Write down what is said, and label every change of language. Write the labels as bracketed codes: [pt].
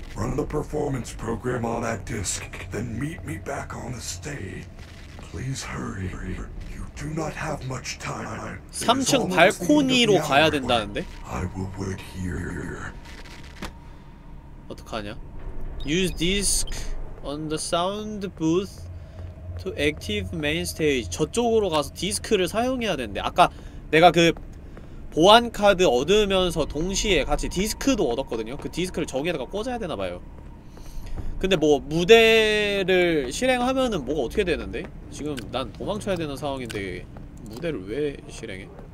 [en] Run the performance program on that disc, then meet me back on the stage. Please hurry. You do not have much time. [ko] 3층 발코니로 가야 된다는데? [en] I will wait here. [ko] 어떡하냐? [en] Use disc on the sound booth to active main stage. [ko] 저쪽으로 가서 디스크를 사용해야 되는데. 아까 내가 그 보안 카드 얻으면서 동시에 같이 디스크도 얻었거든요. 그 디스크를 저기에다가 꽂아야 되나 봐요. 근데 뭐 무대를 실행하면은 뭐가 어떻게 되는데? 지금 난 도망쳐야 되는 상황인데 무대를 왜 실행해?